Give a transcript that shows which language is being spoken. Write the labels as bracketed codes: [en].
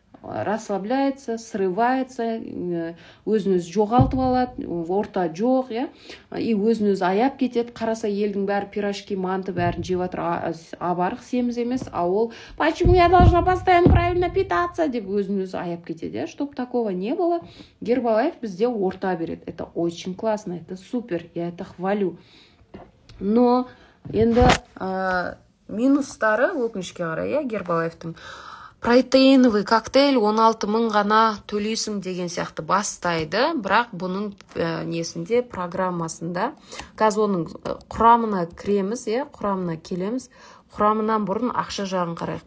[ru] Расслабляется, срывается, [kk] өзін-өз жоғалтып алады, орта жоқ, е? И өзін-өз аяп кетеді, қараса елдің бәрі пирожки, манты бәрін жеп отыр, абарық семіз емес, а ол, [ru] почему я должна постоянно правильно питаться, [kk] деп өзін-өз аяп кетеді, е? [ru] Чтоб такого не было, [kk] Гербалайф бізде орта береді. [ru] Это очень классно, это супер, я это хвалю. [kk] Но енді минустары өкінішке қарай, е, Гербалайфтың. Протеиновый коктейль 16 мың ғана төлейсің деген сияқты бастайды, бірақ бұның несінде программасында, қаз оның құрамына кіреміз, е, құрамына келеміз, құрамынан бұрын ақша жағын қарайық.